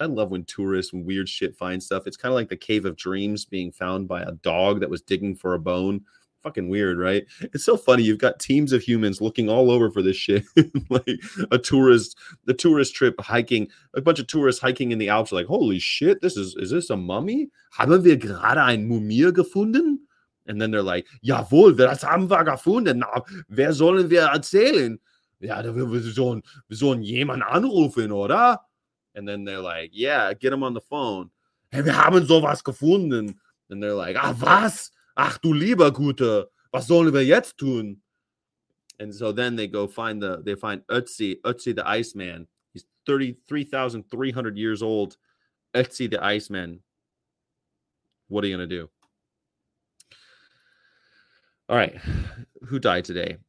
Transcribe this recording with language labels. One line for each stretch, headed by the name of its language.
English: I love when tourists and weird shit find stuff. It's kind of like the Cave of Dreams being found by a dog that was digging for a bone fucking weird, right? It's so funny. You've got teams of humans looking all over for this shit. Like a tourist, the tourist trip hiking, a bunch of tourists hiking in the Alps are like, holy shit, is this a mummy?
German: Haben wir gerade ein Mumie gefunden?
English: And then they're like,
German: jawohl, das haben wir gefunden. Na, wer sollen wir erzählen? Ja, wir sollen jemand anrufen, oder?
English: And then they're like, yeah, get him on the phone.
German: Hey, wir haben sowas gefunden.
English: And they're like,
German: ah, was? Ach, du lieber Gute, was sollen wir jetzt tun?
English: And so then they go find they find Ötzi the Iceman. He's 33,300 years old. Ötzi the Iceman. What are you going to do? All right. Who died today?